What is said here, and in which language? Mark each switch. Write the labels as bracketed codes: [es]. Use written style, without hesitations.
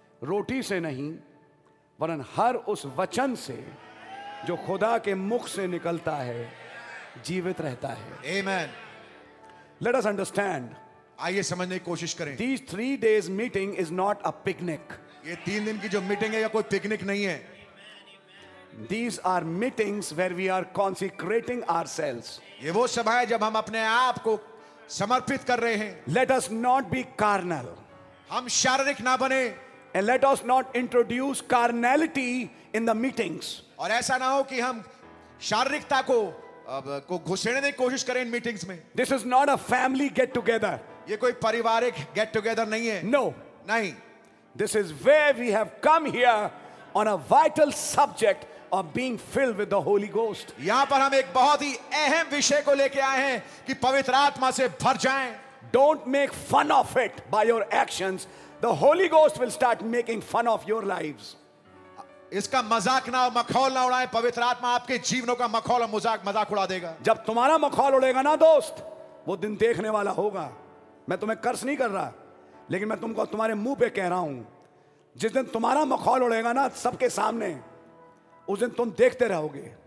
[hi] रोटी से नहीं वरन हर उस वचन से जो खुदा के मुख से निकलता है जीवित रहता है. आमेन. [en] Let us understand. [hi] आइए समझने की कोशिश करें. [en] These three days meeting is not a picnic. [hi] ये तीन दिन की जो मीटिंग है या कोई पिकनिक नहीं है. [en] These are meetings where we are consecrating ourselves. [hi] ये वो सभाएं जब हम अपने आप को समर्पित कर रहे हैं. [en] Let us not be carnal. [hi] हम शारीरिक ना बने. [en] And let us not introduce carnality in the meetings. [hi] और ऐसा ना हो कि हम शारीरिकता को घुसेड़ने की कोशिश करें इन मीटिंग्स में. [en] This is not a family get together. [hi] ये कोई पारिवारिक गेट टुगेदर नहीं है. [en] No. [hi] नहीं. [en] This is where we have come here on a vital subject of being filled with the Holy Ghost. [hi] यहाँ पर हम एक बहुत ही अहम विषय को लेके आए हैं कि पवित्र आत्मा से भर जाएं. [en] Don't make fun of it by your actions. The Holy Ghost will start making fun of your lives. [hi] इसका मजाक ना और मखौल ना उड़ाएं. पवित्र आत्मा आपके जीवनों का मखौल और मजाक उड़ा देगा. जब तुम्हारा मखौल उड़ेगा ना दोस्त वो दिन देखने वाला होगा. मैं तुम्हें कर्स नहीं कर रहा लेकिन मैं तुमको तुम्हारे मुंह पे कह रहा हूं जिस दिन तुम्हारा मखौल उड़ेगा ना सबके सामने उस दिन तुम देखते रहोगे.